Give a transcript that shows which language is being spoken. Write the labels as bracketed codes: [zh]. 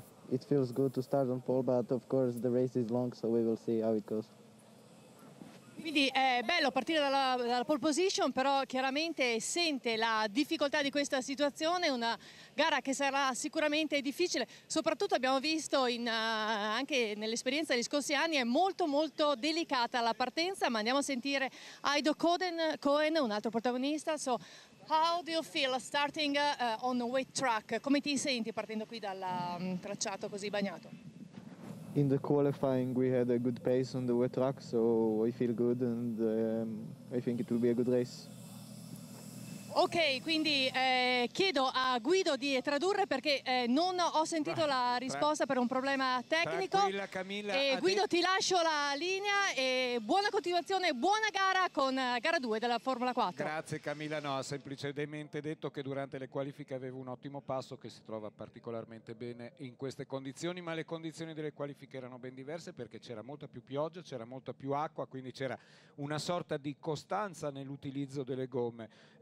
[en] It feels good to start on pole, but of course the race is long, so we will see how it goes. [it] Quindi è bello partire dalla pole position, però chiaramente sente la difficoltà di questa situazione, una gara che sarà sicuramente difficile, soprattutto abbiamo visto anche nell'esperienza degli scorsi anni, è molto molto delicata la partenza. Ma andiamo a sentire Aido Cohen, un altro protagonista. [en] So, how do you feel starting on a wet track? [it] Come ti senti partendo qui dal tracciato così bagnato? [en] In the qualifying we had a good pace on the wet track, so I feel good and I think it will be a good race. [it] Ok, quindi chiedo a Guido di tradurre, perché non ho sentito la risposta per un problema tecnico. Tranquilla Camilla. E Guido, ti lascio la linea e buona continuazione, buona gara con gara 2 della Formula 4. Grazie Camilla, no, ha semplicemente detto che durante le qualifiche aveva un ottimo passo, che si trova particolarmente bene in queste condizioni, ma le condizioni delle qualifiche erano ben diverse perché c'era molta più pioggia, c'era molta più acqua, quindi c'era una sorta di costanza nell'utilizzo delle gomme.